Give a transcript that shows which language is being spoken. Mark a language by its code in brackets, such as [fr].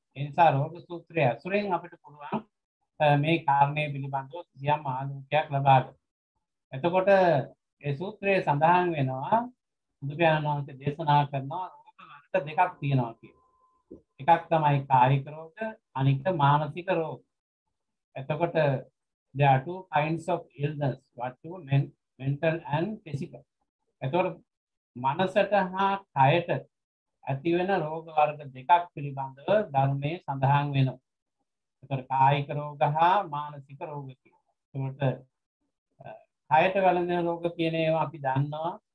[si] ඒ නිසා රෝග සූත්‍රය ඇසුරෙන් අපිට පුළුවන් මේ කාරණය පිළිබඳව සියම් ආලෝකයක් ලබා ගන්න. එතකොට ඒ සූත්‍රයේ සඳහන් වෙනවා බුදුපියාණන් වහන්සේ දේශනා කරනවා රෝග වර්ග දෙකක් තියෙනවා කියලා. එකක් තමයි කායික රෝග, අනික මානසික රෝග. එතකොට [en] there are two kinds of illness, what you mean, mental and physical. [si] එතකොට මනසට හා කයට ඇති වෙන රෝග වර්ග දෙකක් පිළිබඳව ධර්මයේ සඳහන් වෙනවා. එතකොට කායික රෝග හා මානසික රෝග කියලා. එතකොට කයට වැළඳෙන රෝග කියන ඒවා අපි දන්නවා.